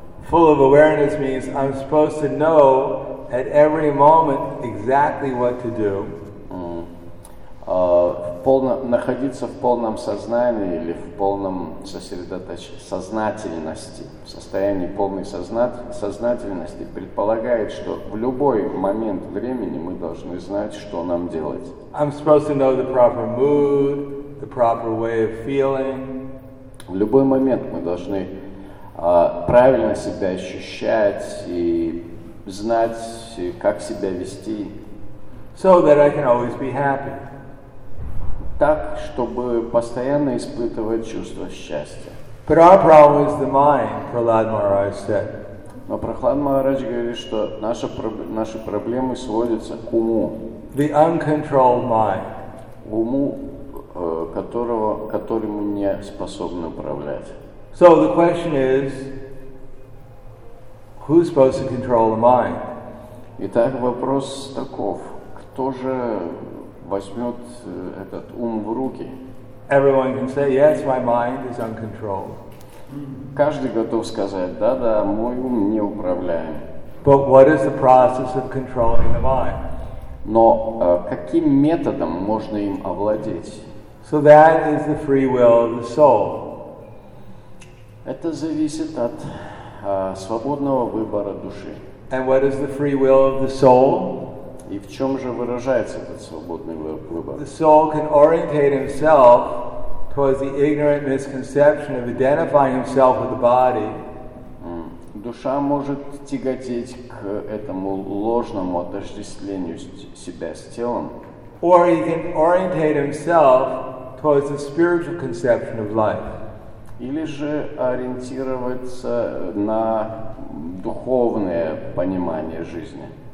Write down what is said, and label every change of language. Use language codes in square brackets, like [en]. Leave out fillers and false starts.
[en] Full of awareness means I'm supposed to know at every moment exactly what to do. [ru] Находиться в полном сознании или в полном сознательности, в состоянии полной сознательности предполагает, что в любой момент времени мы должны знать, что нам делать. [en] I'm supposed to know the proper mood, the proper way of feeling. [ru] В любой момент мы должны правильно себя ощущать и знать, как себя вести. [en] So that I can always be happy. [ru] Так, чтобы постоянно испытывать чувство счастья. [en] But our problem is the mind, Prahlad Maharaj said. [ru] Но Прохлад Махарадж говорит, что наши проблемы сводятся к уму. [en] The uncontrolled mind. [ru] Уму, который мы не способны управлять. [en] So the question is, who's supposed to control the mind? [ru] Итак, вопрос таков. Кто же возьмет этот ум в руки? [en] Everyone can say, yes, my mind is uncontrolled. [ru] Каждый готов сказать, да-да, мой ум не управляем. [en] But what is the process of controlling the mind? [ru] Но каким методом можно им овладеть? [en] So that is the free will of the soul. [ru] Это зависит от свободного выбора души. [en] And what is the free will of the soul? [ru] И в чем же выражается этот свободный выбор? [en] The soul can orientate himself towards the ignorant misconception of identifying himself with the body. [ru] Душа может тяготеть к этому ложному отождествлению себя с телом. [en] Or he can orientate himself towards the spiritual conception of life. [ru] Или же ориентироваться на духовное понимание жизни.